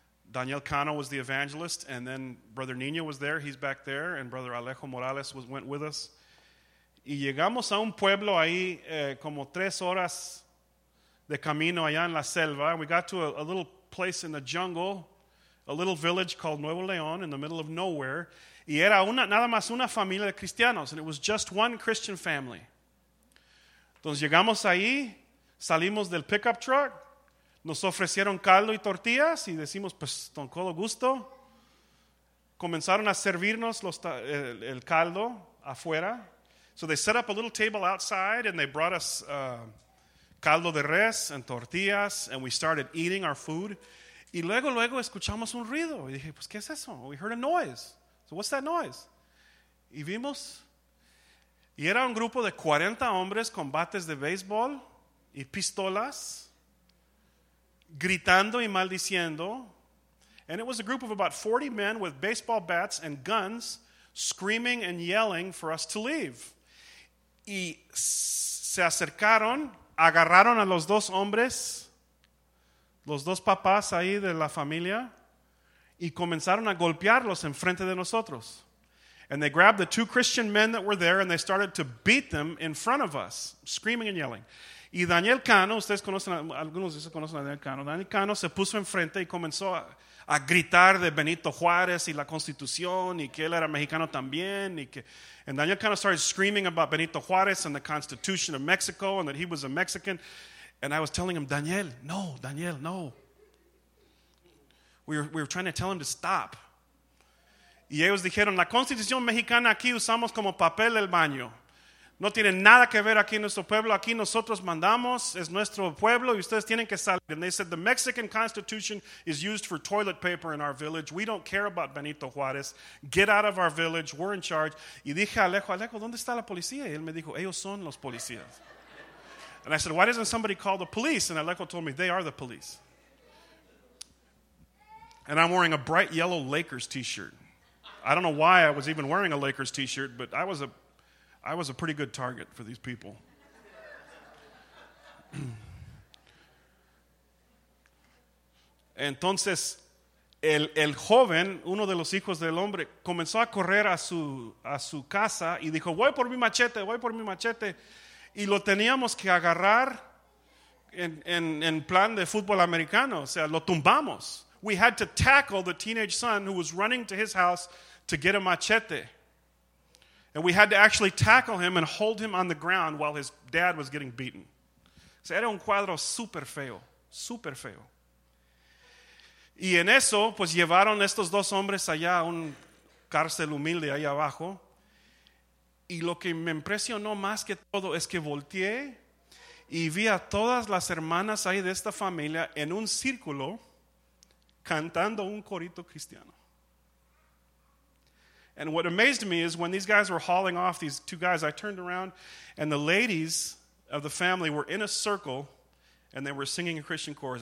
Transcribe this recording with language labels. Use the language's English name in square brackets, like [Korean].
[English] Daniel Cano was the evangelist, and then Brother Nino was there. He's back there, and Brother Alejo Morales went with us. [Spanish] Y llegamos a un pueblo ahí como tres horas de camino allá en la selva. [English] We got to a little place in the jungle, a little village called Nuevo León in the middle of nowhere. [Spanish] Y era una, nada más una familia de cristianos, [English] and it was just one Christian family. [Spanish] Entonces llegamos ahí, salimos del pickup truck, nos ofrecieron caldo y tortillas, y decimos, pues, con todo gusto. Comenzaron a servirnos el caldo afuera. [English] So they set up a little table outside, and they brought us caldo de res and tortillas, and we started eating our food. [Spanish] Y luego escuchamos un ruido. Y dije, pues, ¿qué es eso? [English] We heard a noise. So what's that noise? [Spanish] Y vimos, y era un grupo de 40 hombres con bates de béisbol y pistolas, gritando y maldiciendo. [English] And it was a group of about 40 men with baseball bats and guns, screaming and yelling for us to leave. [Spanish] Y se acercaron, agarraron a los dos hombres, los dos papás ahí de la familia, y comenzaron a golpearlos en frente de nosotros. [English] And they grabbed the two Christian men that were there, and they started to beat them in front of us, screaming and yelling. [Spanish] Y Daniel Cano, ustedes conocen, algunos de ustedes conocen a Daniel Cano. Daniel Cano se puso enfrente y comenzó a gritar de Benito Juárez y la Constitución, y que él era mexicano también. Y que, [English] and Daniel Cano started screaming about Benito Juárez and the Constitution of Mexico and that he was a Mexican. And I was telling him, Daniel, no. We were trying to tell him to stop. [Spanish] Y ellos dijeron, la Constitución Mexicana aquí usamos como papel del baño. No tiene nada que ver aquí en nuestro pueblo. Aquí nosotros mandamos, es nuestro pueblo, y ustedes tienen que salir. [English] And they said, the Mexican Constitution is used for toilet paper in our village. We don't care about Benito Juárez. Get out of our village. We're in charge. [Spanish] Y dije a Alejo, ¿dónde está la policía? Y él me dijo, ellos son los policías. [English] And I said, why doesn't somebody call the police? And Alejo told me, they are the police. And I'm wearing a bright yellow Lakers t-shirt. I don't know why I was even wearing a Lakers t-shirt, but I was a pretty good target for these people. [Spanish] Entonces, el joven, uno de los hijos del hombre, comenzó a correr a su casa y dijo, voy por mi machete. Y lo teníamos que agarrar en plan de fútbol americano. O sea, lo tumbamos. [English] We had to tackle the teenage son who was running to his house to get a machete. And we had to actually tackle him and hold him on the ground while his dad was getting beaten. [Spanish] O sea, era un cuadro súper feo, súper feo. Y en eso, pues llevaron estos dos hombres allá a un cárcel humilde ahí abajo. Y lo que me impresionó más que todo es que volteé y vi a todas las hermanas ahí de esta familia en un círculo cantando un corito cristiano. [English] And what amazed me is when these guys were hauling off, these two guys, I turned around and the ladies of the family were in a circle and they were singing a Christian chorus.